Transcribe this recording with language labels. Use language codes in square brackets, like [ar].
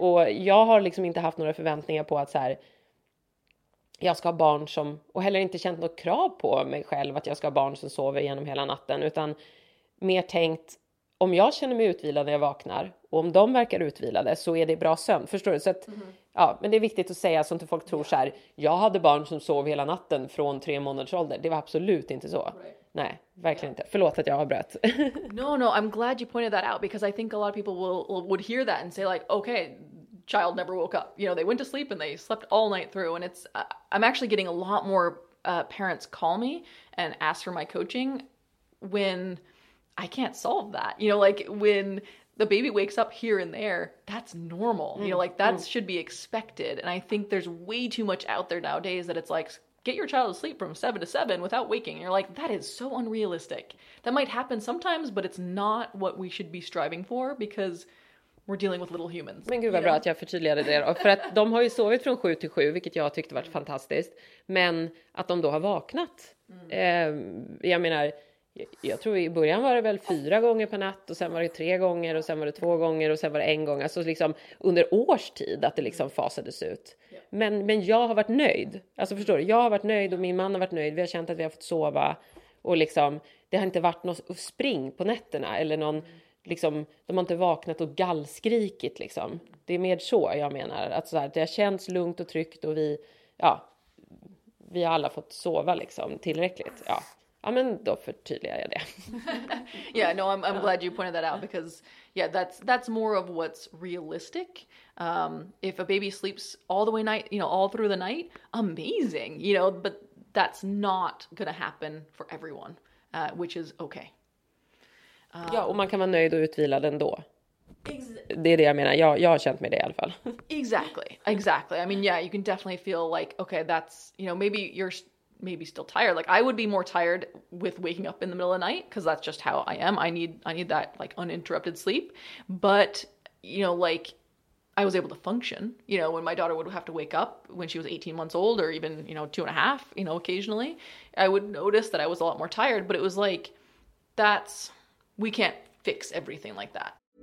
[sv] Och jag har liksom inte haft några förväntningar på att så här, jag ska ha barn som, och heller inte känt något krav på mig själv att jag ska ha barn som sover genom hela natten, utan mer tänkt, om jag känner mig utvilad när jag vaknar och om de verkar utvilade, så är det bra sömn, förstår du? Så att, ja, men det är viktigt att säga så att inte folk tror så här, jag hade barn som sov hela natten från 3 månaders ålder. Det var absolut inte så. [en] Right. [sv] Nej, verkligen inte. Förlåt att jag har brutit. [en] No, I'm glad you pointed that out, because I think a lot of people would hear that and say like, okay, child never woke up. You know, they went to sleep and they slept all night through. And it's, I'm actually getting a lot more parents call me and ask for my coaching when I can't solve that. You know, like when the baby wakes up here and there, that's normal. Mm. You know, like that should be expected. And I think there's way too much out there nowadays that it's like, get your child asleep from 7 to 7 without waking. And you're like, that is so unrealistic. That might happen sometimes, but it's not what we should be striving for, because we're dealing with little humans. [sv] Men gud vad bra att jag förtydligade det. För att de har ju sovit från 7 till 7, vilket jag tyckte var fantastiskt. Men att de då har vaknat. Jag menar, jag tror i början var det väl 4 gånger per natt, och sen var det 3 gånger, och sen var det 2 gånger, och sen var det 1 gång. Alltså liksom under års tid att det liksom fasades ut. Men jag har varit nöjd. Alltså förstår du, jag har varit nöjd och min man har varit nöjd. Vi har känt att vi har fått sova, och liksom det har inte varit något spring på nätterna eller någon liksom, de har inte vaknat och gallskrikit liksom. Det är mer så jag menar, att så här, det har känts lugnt och tryggt, och vi har alla fått sova liksom tillräckligt. Ja. Ja, men då förtydligar jag det. [en] I'm glad you pointed that out, because yeah, that's more of what's realistic. If a baby sleeps all the way night, you know, all through the night, amazing, you know, but that's not gonna happen for everyone, which is okay. [sv] Ja, och man kan vara nöjd och utvilad ändå. Det är det jag menar. Jag har känt mig det i alla fall. [en] Exactly. I mean, yeah, you can definitely feel like, okay, that's, you know, maybe still tired. Like I would be more tired with waking up in the middle of the night, because that's just how I am. I need that like uninterrupted sleep. But, you know, like I was able to function, you know, when my daughter would have to wake up when she was 18 months old, or even, you know, 2 and a half, you know, occasionally I would notice that I was a lot more tired, but it was like, we can't fix everything like that.